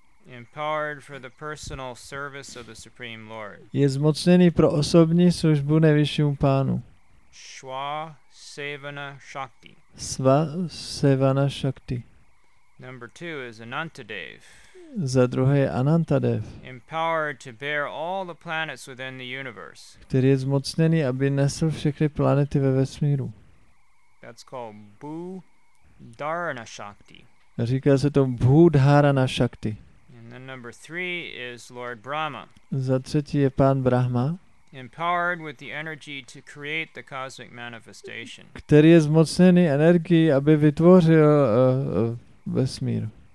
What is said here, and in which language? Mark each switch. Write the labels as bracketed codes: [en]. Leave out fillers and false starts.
[en] Empowered for the personal service of the Supreme Lord. [cs] Je zmocněný pro osobní službu nejvyššímu pánu. [sa] Shva Sevana Shakti. Sva Sevana Shakti. [en] Number two is Anantadev. [cs] za druhý Anantadev, [en] empowered to bear all the planets within the universe, [cs] který je zmocněný, aby nesl všechny planety ve vesmíru. [en] That's called Bhudharana Shakti. [cs] Říká se to Bhudharana Shakti. [en] And then number three is Lord Brahma. [cs] Za třetí je pán Brahma, [en] empowered with the energy to create the cosmic manifestation, [cs] který je zmocněný energií, aby vytvořil vesmír.